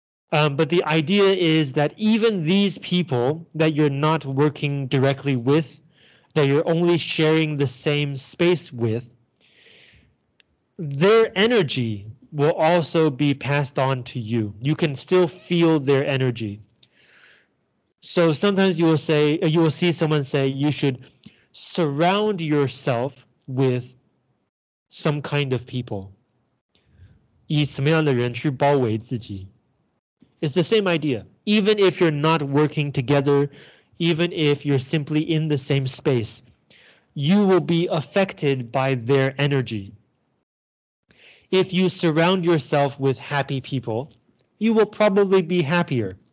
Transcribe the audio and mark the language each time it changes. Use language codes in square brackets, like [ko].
[en] But the idea is that even these people that you're not working directly with, that you're only sharing the same space with, their energy will also be passed on to you. You can still feel their energy. So sometimes you will say, you will see someone say, you should surround yourself with some kind of people. [zh] 以什么样的人去包围自己? [en] It's the same idea. Even if you're not working together, even if you're simply in the same space, you will be affected by their energy. If you surround yourself with happy people, you will probably be happier.